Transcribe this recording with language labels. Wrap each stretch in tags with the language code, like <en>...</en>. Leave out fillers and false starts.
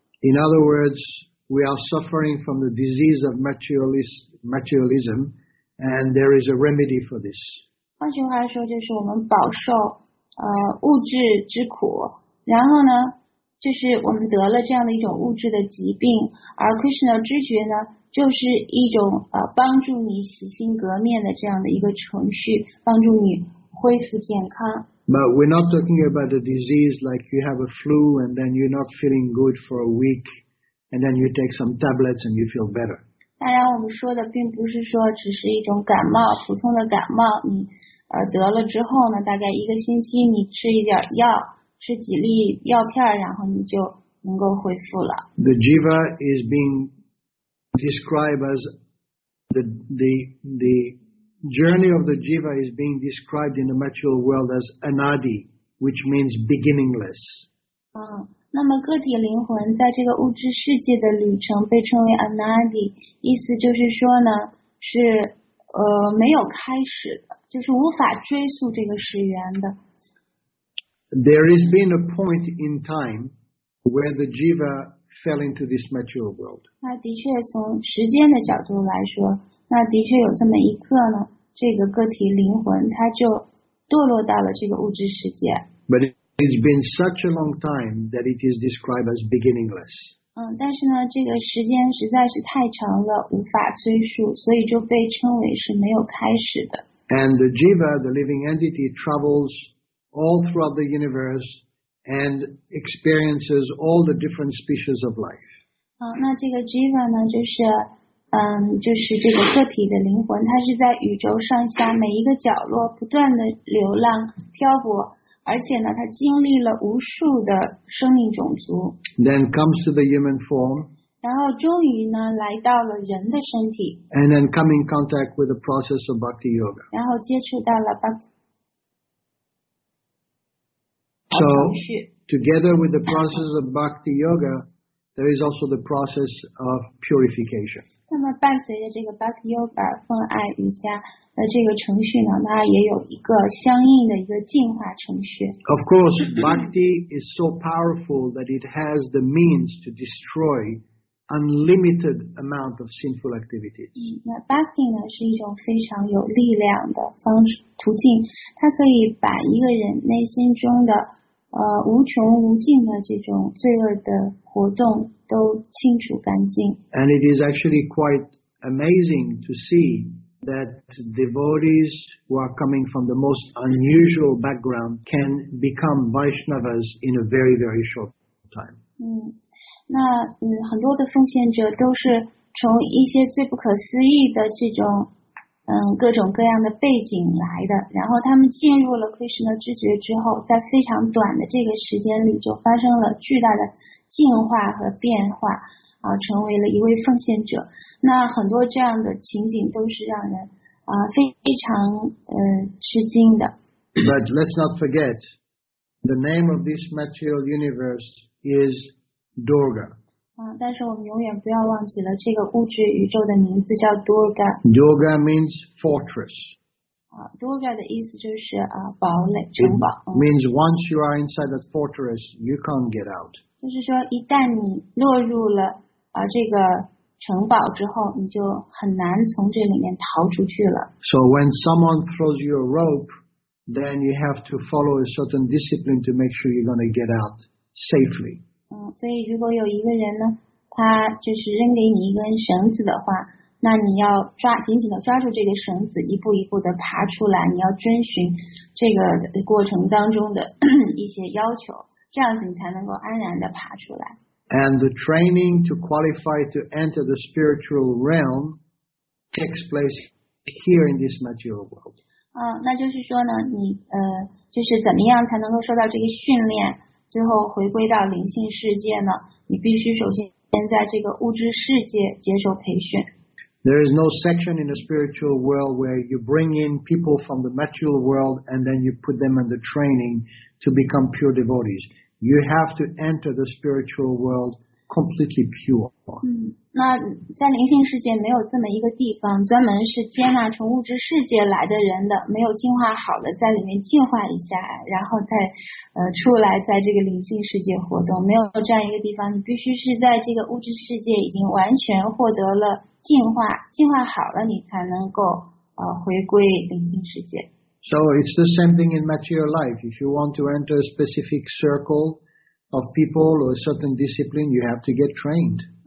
<en>In other words, we are suffering from the disease of materialism, and there is a remedy for this.</en> <zh>换句话说，就是我们饱受物质之苦。然后呢，就是我们得了这样的一种物质的疾病，而 Krishna 知觉呢，就是一种帮助你洗心革面的这样的一个程序，帮助你恢复健康。</zh> <en>But we're not talking about a disease like you have a flu and then you're not feeling good for a week and then you take some tablets and you feel better.</en> <zh>当然，我们说的并不是说只是一种感冒，普通的感冒，你得了之后呢，大概一个星期你吃一点药。吃几粒药片，然后你就能够恢复了。</zh> <en>The jiva is being described as the journey of the jiva is being described in the material world as anadi, which means beginningless.</en> <zh>那么个体灵魂在这个物质世界的旅程被称为 anadi, 意思就是说呢，是没有开始的，就是无法追溯这个始源的。</zh> <en>There has been a point in time where the jiva fell into this material world.</en> <zh>那的确从时间的角度来说，那的确有这么一刻呢，这个个体灵魂它就堕落到了这个物质世界。</zh> <en>But it's been such a long time that it is described as beginningless.</en> <zh>但是呢，这个时间实在是太长了，无法追溯，所以就被称为是没有开始的。</zh> <en>And the jiva, the living entity, travels. All throughout the universe and experiences all the different species of life.</en> <zh>那这个 jiva 呢，就是这个个体的灵魂，它是在宇宙上下每一个角落不断的流浪漂泊，而且呢，它经历了无数的生命种族。</zh> <en>Then comes to the human form.</en> <zh>然后终于呢，来到了人的身体。</zh> <en>And then come in contact with the process of bhakti yoga.</en> <zh>然后接触到了 bhakti.</zh> <en>So, together with the process of bhakti yoga, there is also the process of purification.</en> <zh>那么伴随着这个 bhakti yoga 奉爱瑜伽的这个程序呢，它也有一个相应的一个进化程序。</zh> <en>Of course, bhakti is so powerful that it has the means to destroy unlimited amount of sinful activities.</en> <zh>那 bhakti 呢是一种非常有力量的方式。途径，它可以把一个人内心中的无穷无尽的这种罪恶的活动都清除干净。</zh> <en>And it is actually quite amazing to see that devotees who are coming from the most unusual background can become Vaishnavas in a very very short time.</en> <zh>很多的奉献者都是从一些最不可思议的这种。各种各样的背景来的，然后他们进入了 Krishna 知觉之后，在非常短的这个时间里就发生了巨大的进化和变化，成为了一位奉献者。那很多这样的情景都是让人非常吃惊的。</zh> <en>But let's not forget, the name of this material universe is Durga.</en> <zh>但是我们永远不要忘记了这个物质宇宙的名字叫 Durga.</zh> <en>Durga means fortress.</en> <zh>Durga 的意思就是堡垒城堡。</zh> <en>It means once you are inside that fortress, you can't get out.</en> <zh>就是说一旦你落入了这个城堡之后，你就很难从这里面逃出去了。</zh> <en>So when someone throws you a rope, then you have to follow a certain discipline to make sure you're going to get out safely.</en> <zh>所以如果有一个人呢，他就是扔给你一根绳子的话，那你要紧紧的抓住这个绳子，一步一步的爬出来，你要遵循这个过程当中的一些要求，这样子你才能够安然的爬出来。</zh> <en>And the training to qualify to enter the spiritual realm takes place here in this material world.</en> <zh>那就是说呢，你就是怎么样才能够受到这个训练，最后回归到灵性世界呢？你必须首先在这个物质世界接受培训。</zh> <en>There is no section in the spiritual world where you bring in people from the material world and then you put them under training to become pure devotees. You have to enter the spiritual world completely pure.</en> <zh>那在灵性世界没有这么一个地方，专门是接纳从物质世界来的人的，没有进化好的，在里面进化一下，然后再出来在这个灵性世界活动，没有这样一个地方，你必须是在这个物质世界已经完全获得了进化好了，你才能够回归灵性世界。</zh> <en>So it's the same thing in material life. If you want to enter a specific circle of people or a certain discipline, you have to get trained.</en>